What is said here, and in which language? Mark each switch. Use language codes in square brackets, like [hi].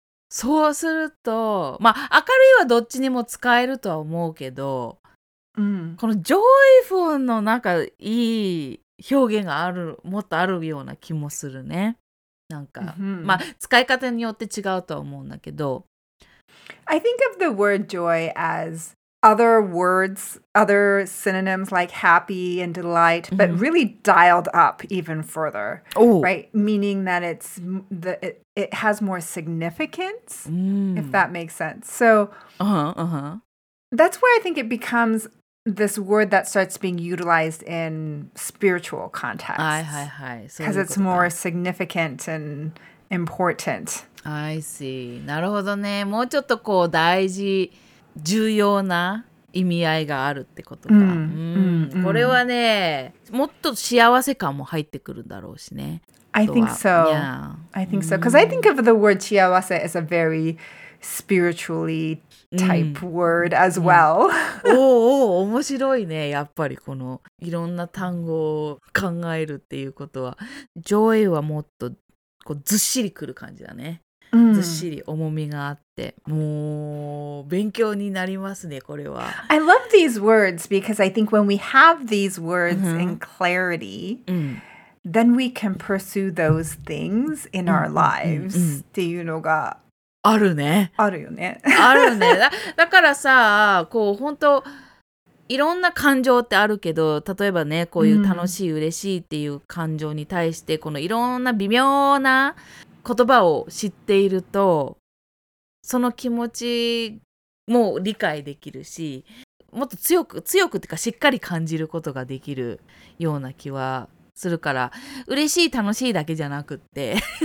[ja] そうすると、まあ明るいはどっちにも使えるとは思うけど、うん、このジョイフルのなんかいい表現がある、もっとあるような気もするね。なんか、 mm-hmm. まあ使い方によって違うとは思うんだけど。 [en] I think of the word joy as other words, other synonyms like happy and delight, but really dialed up even further, right? Meaning that it's the, it has more significance, if that makes sense. So that's where I think it becomes this word that starts being utilized in spiritual contexts. Because it's more significant and important. I see. [ja] なるほどね。もうちょっとこう大事、重要な意味合いがあるってことか。これはね、もっと幸せ感も入ってくるんだろうしね。 [en] I think so. Yeah. I think so. Because I think of the word 幸せ as a very spiritually type word as well. [ja] おーおー、面白いね。やっぱりこのいろんな単語を考えるっていうことは。 Joy はもっとこうずっしりくる感じだね。ずっしり重みがあって、もう勉強になりますね、これは。 [en] I love these words because I think when we have these words in clarity, then we can pursue those things in our lives [ja] っていうのがあるね。あるよね。あるね。だからさ、こう本当いろんな感情ってあるけど、例えばね、こういう楽しい、嬉しいっていう感情に対して、このいろんな微妙な言葉を知っていると、その気持ちも理解できるし、もっと強くっていうか、しっかり感じることができるような気はするから、嬉しい、楽しいだけじゃなくって、